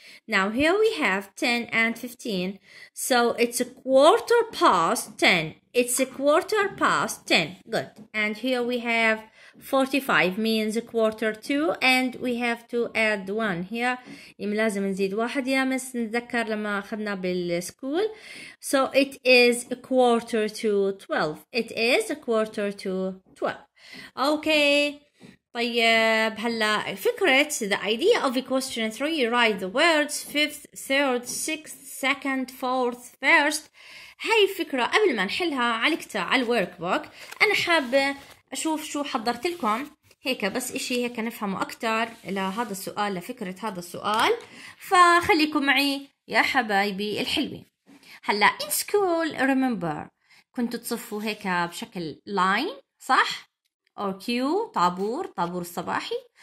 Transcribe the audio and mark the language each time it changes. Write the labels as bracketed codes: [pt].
[en] Now here we have 10:15 so it's a quarter past 10. It's a quarter past 10. Good. And here we have 45 means a quarter to, and we have to add one here. [ar] لازم نزيد واحد يا مس نتذكر لما أخذنا بالسكول. [en] So it is a quarter to 12. It is a quarter to 12. Okay. [ar] طيب هلا فكرة [en] the idea of a question 3 you write the words 5th, 3rd, 6th, 2nd, 4th, 1st. [ar] هاي فكرة قبل ما نحلها علقتها على الوركبوك. أنا حابة أشوف شو حضرت لكم هيك بس إشي هيك نفهمه أكتر لهذا السؤال لفكرة هذا السؤال فخليكم معي يا حبايبي الحلوين. هلا [en] in school remember [ar] كنتوا تصفوا هيك بشكل [en] line [ar] صح [en] or queue [ar] طابور طابور الصباحي.